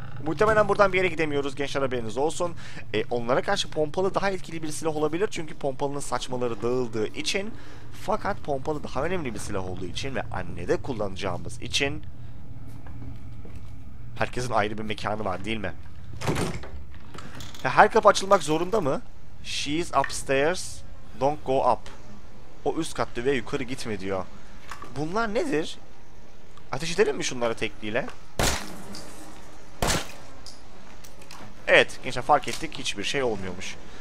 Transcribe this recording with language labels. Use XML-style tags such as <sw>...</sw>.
<tr>Muhtemelen buradan bir yere gidemiyoruz gençler, haberiniz olsun. Onlara karşı pompalı daha etkili bir silah olabilir. Çünkü pompalının saçmaları dağıldığı için. Fakat pompalı daha önemli bir silah olduğu için ve annede kullanacağımız için. Herkesin ayrı bir mekanı var değil mi? Her kapı açılmak zorunda mı?</tr> <en>She's upstairs, don't go up.</en> <tr>O üst katta ve yukarı gitme diyor. Bunlar nedir? Ateş edelim mi şunları tekliyle? Evet gençler, fark ettik hiçbir şey olmuyormuş.</tr>